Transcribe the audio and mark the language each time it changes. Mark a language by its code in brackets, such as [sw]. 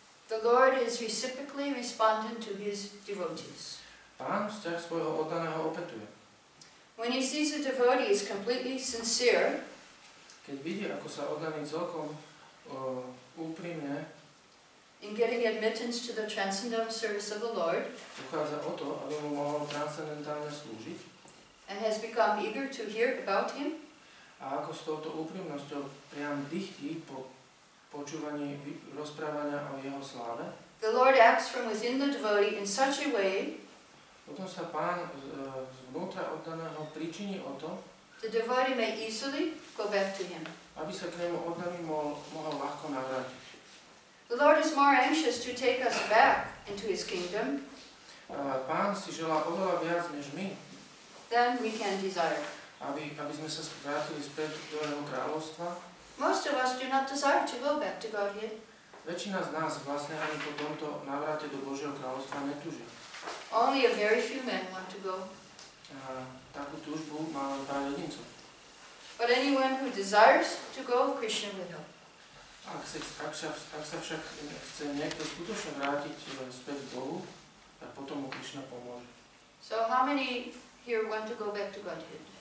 [en] The Lord is reciprocally respondent to his devotees. [sk] Pán vzťah svojho oddaného opetuje. [en] When he sees a devotee is completely sincere, [sk] keď vidí, ako sa oddaný celkom úprimne, [en] in getting admittance to the transcendental service of the Lord, [sk] uchádza o to, aby mu mohol transcendentálne slúžiť, [en] and has become eager to hear about him, [sk] a ako s touto úprimnosťou priam dychtí po počúvaní rozprávania o jeho sláve, [en] the Lord acts from within the devotee in such a way, [sk] potom sa pán zvnútra oddaného príčiní o to, [en] the devotee may easily go back to him, [sk] aby sa k nemu oddaný mohol ľahko navrátiť. [en] The Lord is more anxious to take us back into his kingdom. [sk] Pán si želá oveľa viac než my. [en] Then we can desire. [sk] Aby sme sa vrátili späť do jeho kráľovstva. [en] Most of us do not desire to go back to Godhead. [sk] Väčšina z nás vlastne ani po tomto návrate do Božieho kráľovstva netúži. [en] Only a very few men want to go. [sk] Takú túžbu má len pár jedincov. [en] But anyone who desires to go, Krishna will help. [sk] Ak sa však chce niekto skutočne vrátiť späť k Bohu, tak potom mu Krišna pomôže. [en] So how many here want to go back to Godhead?